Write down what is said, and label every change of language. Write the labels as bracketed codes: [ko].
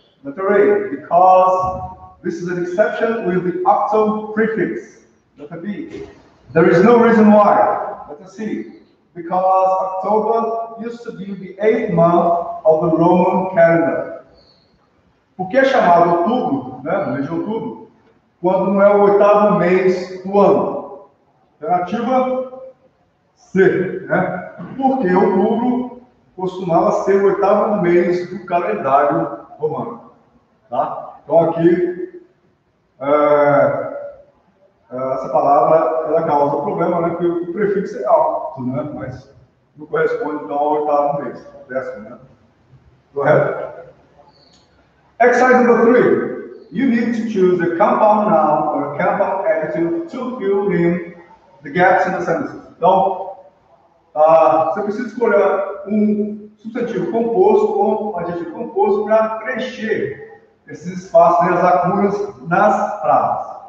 [en] Letter A. Because this is an exception with the octo prefix. Letter B. There is no reason why. Letter C. Because October used to be the eighth month of the Roman calendar. [pt] Por que é chamado outubro, né? No mês de outubro, quando não é o oitavo mês do ano? Alternativa C, né? Porque outubro costumava ser o oitavo mês do calendário romano. Tá? Então aqui, essa palavra ela causa problema, né? Porque o prefixo é alto, né? Mas não corresponde então, ao oitavo mês, décimo, né? Correto? [en] Exercise number 3. You need to choose a compound noun or a compound adjective. to fill in the gaps in the sentence. [pt] Então, você precisa escolher um substantivo composto ou um adjetivo composto para preencher esses espaços e as lacunas nas frases.